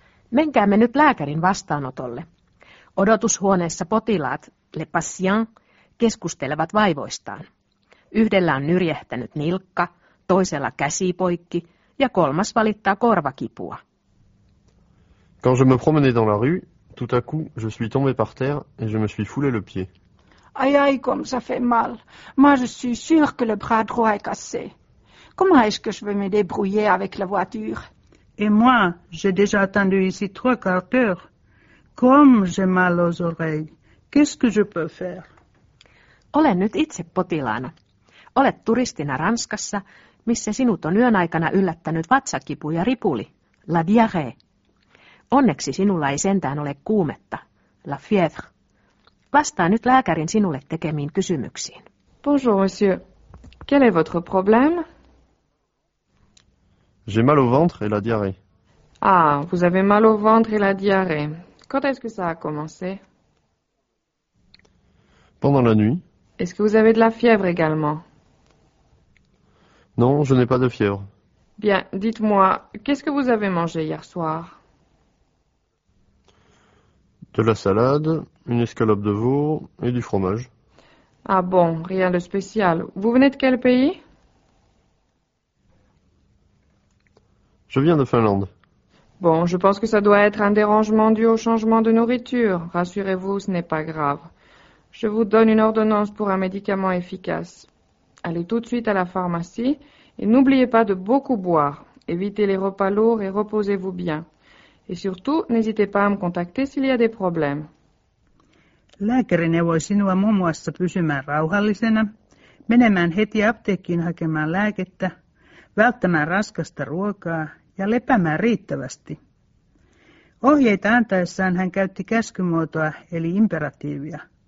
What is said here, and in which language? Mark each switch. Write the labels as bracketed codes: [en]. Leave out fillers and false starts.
[fi] Menkäämme nyt lääkärin vastaanotolle. Odotushuoneessa potilaat, [fr] le patient, [fi] keskustelevat vaivoistaan. Yhdellä on nyrjähtänyt nilkka, toisella käsipoikki ja kolmas valittaa korvakipua. [fr] Quand je me promenais dans la rue, tout à coup, je suis tombé par terre et je me suis foulé le pied. Ai ai, comme ça fait mal. Moi, je suis sûr que le bras droit est cassé. Comment est-ce que je vais me débrouiller avec la voiture? Et moi, j'ai déjà attendu ici trois quarts d'heure. Comme j'ai mal aux oreilles. Qu'est-ce que je peux faire? [fi] Olen nyt itse potilaana. Olet turistina Ranskassa, missä sinut on yön aikana yllättänyt vatsakipu ja ripuli. [fr] La diarrhée. [fi] Onneksi sinulla ei sentään ole kuumetta. [fr] La fièvre. [fi] Vastaa nyt lääkärin sinulle tekemiin kysymyksiin. [fr] Bonjour, monsieur. Quel est votre problème? J'ai mal au ventre et la diarrhée. Ah, vous avez mal au ventre et la diarrhée. Quand est-ce que ça a commencé? Pendant la nuit. Est-ce que vous avez de la fièvre également? Non, je n'ai pas de fièvre. Bien, dites-moi, qu'est-ce que vous avez mangé hier soir? De la salade, une escalope de veau et du fromage. Ah bon, rien de spécial. Vous venez de quel pays? Je viens de Finlande. Bon, je pense que ça doit être un dérangement dû au changement de nourriture. Rassurez-vous, ce n'est pas grave. Je vous donne une ordonnance pour un médicament efficace. Allez tout de suite à la pharmacie et n'oubliez pas de beaucoup boire. Évitez les repas lourds et reposez-vous bien. Et surtout, n'hésitez pas à me contacter s'il y a des problèmes. [fi] Lääkäri neuvoi sinua muun muassa pysymään rauhallisena, menemään heti apteekkiin hakemaan lääkettä, välttämään raskasta ruokaa ja lepäämään riittävästi. Ohjeita antaessaan hän käytti käskymuotoa eli imperatiivia.